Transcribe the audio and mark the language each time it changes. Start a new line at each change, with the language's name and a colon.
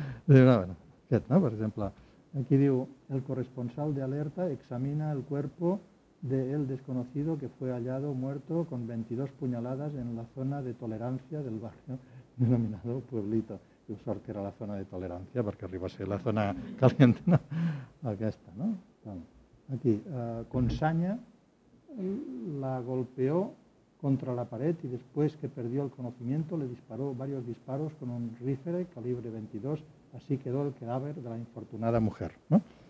Catalan: Diu, no, bueno, aquest, no? Per exemple, aquí diu,
Spanish: el corresponsal de alerta examina el cuerpo de el desconocido que fue hallado muerto con 22 puñaladas en la zona de tolerancia del barrio denominado Pueblito.
Catalan: Diu, sort que era la zona de tolerància, perquè arriba a ser la
Spanish: zona caliente,
Catalan: no? Aquesta, no?
Spanish: Aquí, con saña la golpeó contra la pared y después que perdió el conocimiento le disparó varios disparos con un rifle calibre 22, así quedó el cadáver de la infortunada mujer, no?